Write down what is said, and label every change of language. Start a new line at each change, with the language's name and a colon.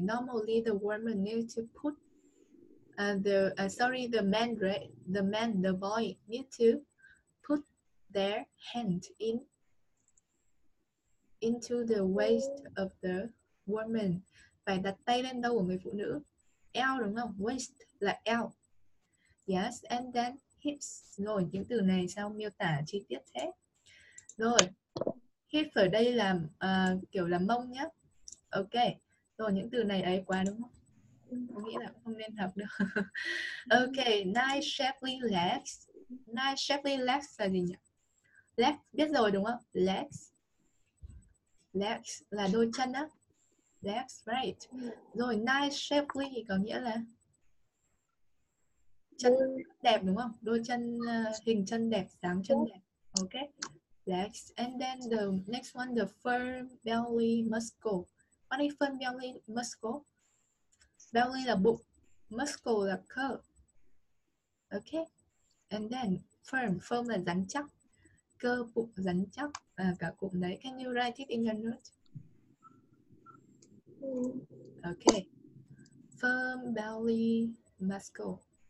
English: Normally the woman needs to put the boy need to put their hand into the waist of the woman.
Vietnamese: Phải đặt tay lên đầu của người phụ nữ. Eo đúng không? Waist là eo.
English: Yes, and then hips.
Vietnamese: Rồi, những từ này sao miêu tả chi tiết thế? Rồi, hip ở đây là kiểu là mông nhá. Ok, rồi những từ này ấy quá đúng không? Tôi nghĩ là không nên học được.
English: Ok, nice shapely legs. Nice shapely legs
Vietnamese: là gì nhỉ? Legs, biết rồi đúng không? Legs. Legs là đôi chân á.
English: Legs, right.
Vietnamese: Rồi, nice shapely có nghĩa là chân đẹp đúng không? Đôi chân, hình chân đẹp, dáng chân đẹp.
English: Ok. Legs. And then the next one, the firm belly muscle. What is firm belly muscle? smelling the book, muscle the coat.
Vietnamese: Okay, and then firm, firm là rắn chắc, cơ bụng rắn chắc, à, cả cụm đấy.
English: Can you write it in your note? Okay, firm belly muscle.